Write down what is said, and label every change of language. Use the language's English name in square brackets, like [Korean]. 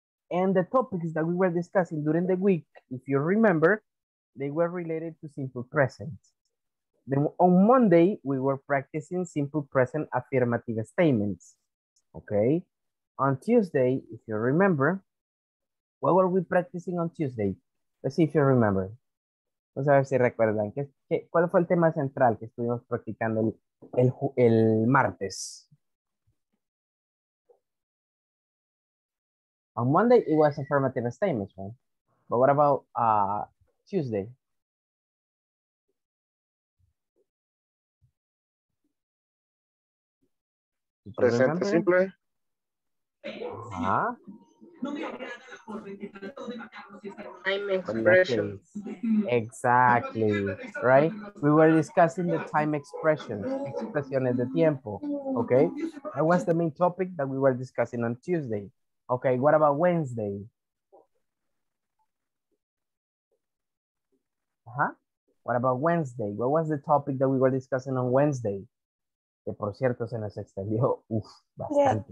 [English] And the topics that we were discussing during the week, if you remember, they were related to simple present. Then on Monday, we were practicing simple present affirmative statements, okay? On Tuesday, if you remember, what were we practicing on Tuesday? Let's see if you remember. [Spanish] Vamos a ver si recuerdan. ¿Cuál fue el tema central que estuvimos practicando el martes? [English] On Monday, it was affirmative statements, right? But what about Tuesday? [Spanish] Presente simple. Ajá. [English] Time expressions. Exactly, right? We were discussing the time expressions, [Spanish] expresiones de tiempo, [English] okay? That was the main topic that we were discussing on Tuesday. Okay, what about Wednesday? Uh-huh. What about Wednesday? What was the topic that we were discussing on Wednesday? [Spanish] Que por cierto se nos extendió, uf, bastante.